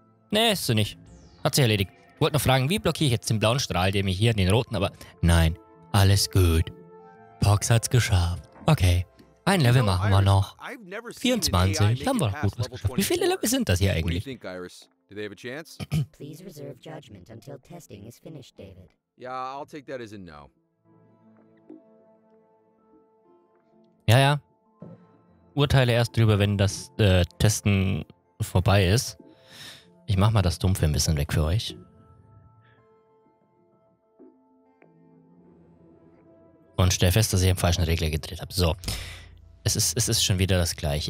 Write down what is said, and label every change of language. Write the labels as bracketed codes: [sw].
[de] Nee, ist sie nicht. Hat sich erledigt. Ich wollte noch fragen, wie blockiere ich jetzt den blauen Strahl, der mich hier in den roten, aber... Nein, alles gut. Pox hat's geschafft. Okay, ein Level machen wir noch. 24, haben wir noch gut was geschafft. Wie viele Level sind das hier eigentlich? [en] Do they have a chance? Please reserve judgment until testing is finished, David. Yeah, I'll take that as a no. [de] Ja, ja. Urteile erst drüber, wenn das Testen vorbei ist. Ich mach mal das Dumpfe ein bisschen weg für euch. Und stell fest, dass ich im falschen Regler gedreht habe. So. Es ist schon wieder das gleiche.